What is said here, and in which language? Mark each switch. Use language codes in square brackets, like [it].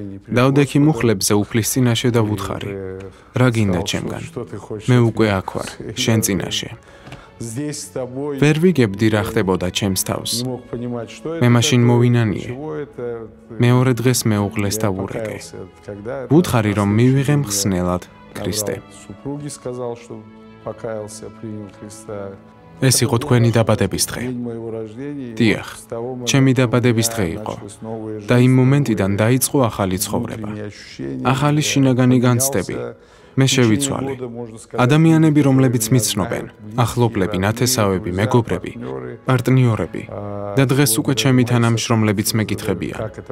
[ka] დავდექი მუხლებზე უფლის წინაშე და ვუთხარი: რა გინდა ჩემგან? Მე უკვე აქ ვარ, შენ წინაშე. [ru] Здесь с тобой. [ka] Ვერ ვიგებდი რა ხდებოდა ჩემს თავს. Მე მაშინ მოვინანიე. მეორე დღეს მე უღლეს და ვურეკე. ვუთხარი რომ მივიღე მხსნელად ქრისტე. [ru] Супруги сказал, что покаялся, принял Христа. [ka] Ეს იყო თქვენი დაბადების დღე. Დიახ, ჩემი დაბადების დღე იყო. Და იმ მომენტიდან დაიწყო ახალი ცხოვრება. Ახალი შინაგანი განცდები. Მე შევიცვალე. ადამიანები, რომლებიც მიცნობენ, ახლობლები, ნათესავები, მეგობრები, პარტნიორები და დღეს უკვე ჩემი თანამშრომლებიც მეკითხებია.